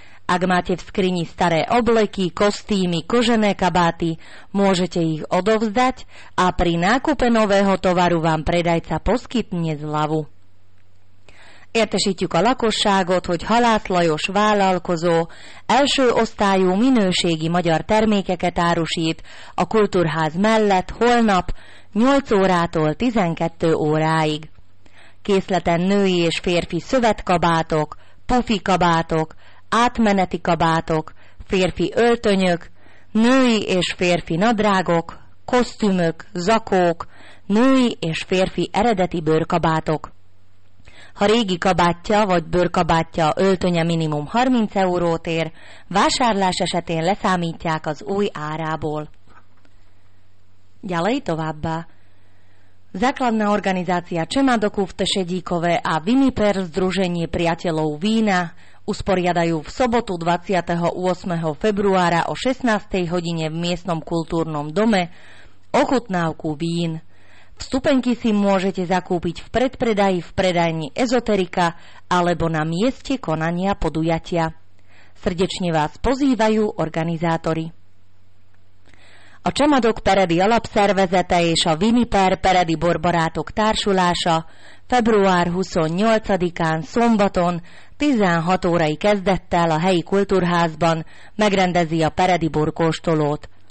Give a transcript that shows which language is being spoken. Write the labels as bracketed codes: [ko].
[sk] Ak máte v skrini staré obleky, kostýmy, kožené kabáty, môžete ich odovzdať a pri nákupe nového tovaru vám predajca poskytne zľavu. [hu] Értesítjük a lakosságot, hogy Halász Lajos vállalkozó első osztályú minőségi magyar termékeket árusít a Kultúrház mellett holnap 8 órától 12 óráig. Készleten női és férfi szövetkabátok, pufi kabátok, átmeneti kabátok, férfi öltönyök, női és férfi nadrágok, kosztümök, zakók, női és férfi eredeti bőrkabátok. Ha régi kabátja vagy bőrkabátja öltönye minimum 30 eurót ér, vásárlás esetén leszámítják az új árából. [sk] Ďalej [hu] továbbá. [sk] Základná organizácia Čemadokov Tešedíkové a Viniper Združenie priateľov vína usporiadajú v sobotu 28. februára o 16. hodine v miestnom kultúrnom dome ochutnávku vín. Vstupenky si môžete zakúpiť v predpredaji v predajni Ezoterika alebo na mieste konania podujatia. Srdečne vás pozývajú organizátori. [hu] A Csemadok Peredi Alapszervezete és a Viniper Peredi Borbarátok Társulása február 28-án szombaton 16 órai kezdettel a helyi kultúrházban megrendezi a Peredi Borkóstolót.